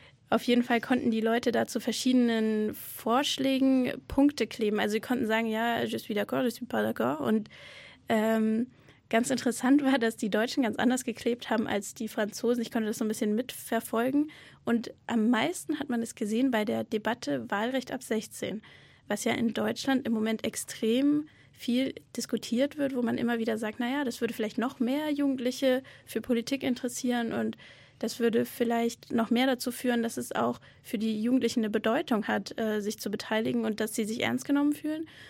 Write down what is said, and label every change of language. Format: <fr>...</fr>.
<de>Auf jeden Fall konnten die Leute da zu verschiedenen Vorschlägen Punkte kleben. Also sie konnten sagen, ja,</de> <fr>je suis d'accord, je suis pas d'accord.</fr> <de>Und ganz interessant war, dass die Deutschen ganz anders geklebt haben als die Franzosen. Ich konnte das so ein bisschen mitverfolgen. Und am meisten hat man es gesehen bei der Debatte Wahlrecht ab 16, was ja in Deutschland im Moment extrem viel diskutiert wird, wo man immer wieder sagt, naja, das würde vielleicht noch mehr Jugendliche für Politik interessieren und das würde vielleicht noch mehr dazu führen, dass es auch für die Jugendlichen eine Bedeutung hat, sich zu beteiligen und dass sie sich ernst genommen fühlen.</de>